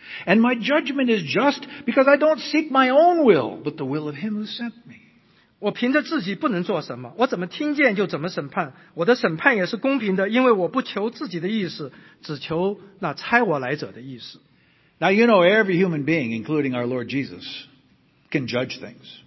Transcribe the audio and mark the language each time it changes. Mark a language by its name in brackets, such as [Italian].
[English] And my judgment is just because I don't seek my own will, but the will of him who sent me. [Chinese] 我凭着自己不能做什么，我怎么听见就怎么审判，我的审判也是公平的，因为我不求自己的意思，只求那差我来者的意思。 [English] Now you know every human being, including our Lord Jesus, can judge things.